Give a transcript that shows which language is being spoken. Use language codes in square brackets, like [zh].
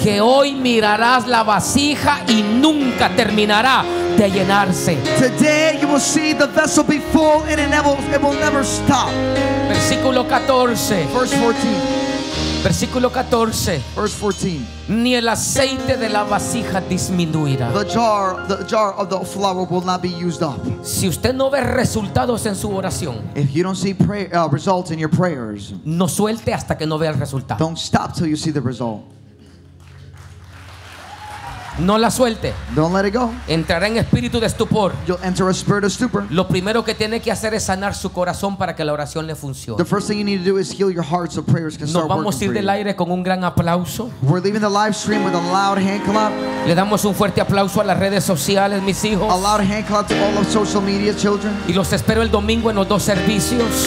[es] Que hoy mirarás la vasija y nunca terminará de llenarse. [en] Today you will see the vessel be full and it will never stop. [es] Versículo 14. [en] Verse 14. [es] Versículo 14. [en] Verse 14. [es] Ni el aceite de la vasija disminuirá. [en] The jar of the flour will not be used up. [es] Si usted no ve resultados en su oración, [en] if you don't see results in your prayers, [es] no suelte hasta que no vea el resultado. [en] Don't stop till you see the result. [es] No la suelte. [en] Don't let it go. [es] Entrará en espíritu de estupor. [en] You'll enter a spirit of stupor. [es] Lo primero que tiene que hacer es sanar su corazón para que la oración le funcione. [en] The first thing you need to do is heal your heart so prayers can start working. [es] Nos vamos a ir del aire con un gran aplauso. [en] We're leaving the live stream with a loud hand clap. [es] Le damos un fuerte aplauso a las redes sociales, mis hijos. [en] A loud hand clap to all of social media, children. [es] Y los espero el domingo en los dos servicios.